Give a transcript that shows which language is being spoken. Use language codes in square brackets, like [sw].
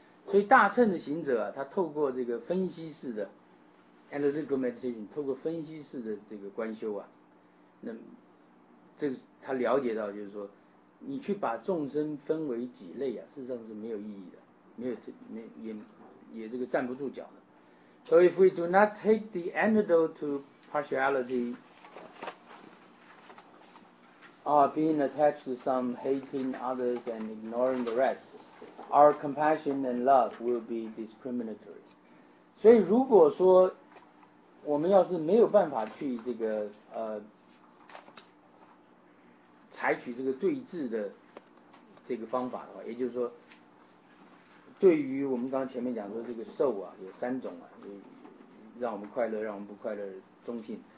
[zh] 所以大乘的行者、啊、他透过这个分析式的 analytical meditation， 透过分析式的这个观修啊，那这个他了解到就是说，你去把众生分为几类啊，事实上是没有意义的。没有，也这个站不住脚的。 [en] So if we do not take the antidote to partiality, being attached to some, hating others and ignoring the rest, our compassion and love will be discriminatory. [zh] 所以如果说我们要是没有办法去这个采取这个对峙的这个方法的话，也就是说。对于我们刚刚前面讲说这个受啊，有三种啊，让我们快乐，让我们不快乐，中性。